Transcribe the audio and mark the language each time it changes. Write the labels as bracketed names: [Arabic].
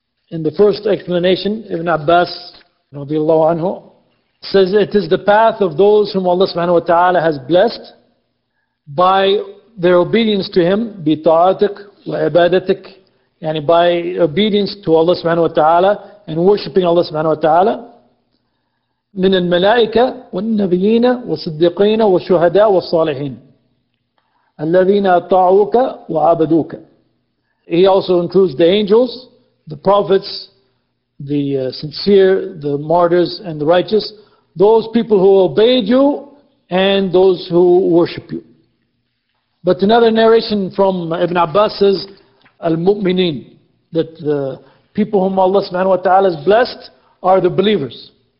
[English] In the first explanation, Ibn Abbas, radiallahu anhu, says it is the path of those whom Allah subhanahu wa ta'ala has blessed by their obedience to Him, [Arabic] bita'atik wa ibadatik, [English] yani by obedience to Allah subhanahu wa ta'ala and worshipping Allah subhanahu wa ta'ala. [Arabic] من الملائكة والنبيين والصديقين والشهداء والصالحين الذين أطاعوك وعبدوك. [English] He also includes the angels, the prophets, the sincere, the martyrs, and the righteous, those people who obeyed you and those who worship you. But another narration from Ibn Abbas says, المؤمنين, that the people whom Allah subhanahu wa ta'ala has blessed are the believers.